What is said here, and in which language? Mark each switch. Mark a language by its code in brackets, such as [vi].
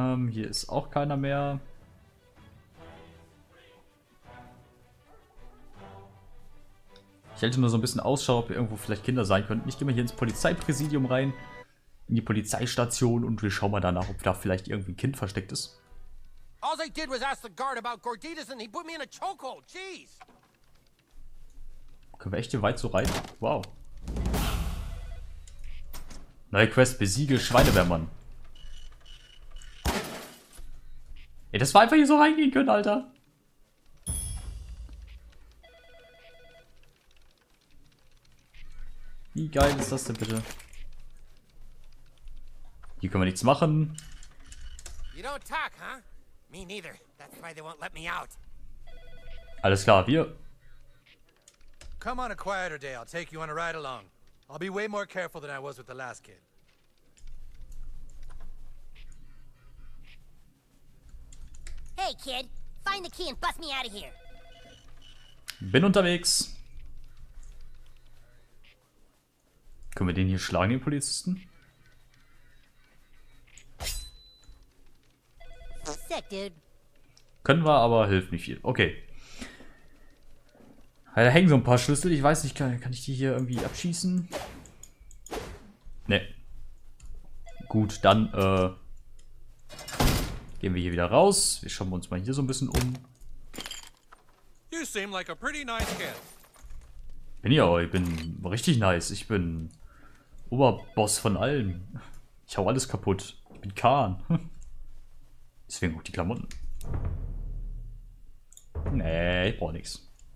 [de] Hier ist auch keiner mehr. Ich hätte nur so ein bisschen Ausschau, ob hier irgendwo vielleicht Kinder sein könnten. Ich gehe mal hier ins Polizeipräsidium rein, in die Polizeistation und wir schauen mal danach, ob da vielleicht irgendwie ein Kind versteckt ist. [en] All I did was ask the guard about Gorditas and he put me in a chokehold. Jeez. [de] Können wir echt hier weit so rein? Wow. Neue Quest, besiege Schweinewehrmann. Ey, das war einfach hier so reingehen können, Alter. Wie geil ist das denn bitte? Hier können wir nichts machen. [en] You don't talk, huh? Me neither. That's why they won't let me out. [de] Alles klar, wir... [en] Come on a quieter day, I'll take you on a ride along. I'll be way more careful than I was with the last kid. Hey kid, find the key and bust me out of here. [de] Bin unterwegs. Können wir den hier schlagen, den Polizisten? [en] Sick, dude. [de] Können wir, aber hilft nicht viel. Okay. Da hängen so ein paar Schlüssel, ich weiß nicht, kann ich die hier irgendwie abschießen? Ne. Gut, dann gehen wir hier wieder raus. Wir schauen uns mal hier so ein bisschen um. [en] You seem like a pretty nice kid. [de] Bin ja, ich bin richtig nice. Ich bin Oberboss von allen. Ich hau alles kaputt. Ich bin Khan. Deswegen auch die Klamotten. Nee, ich brauch nichts.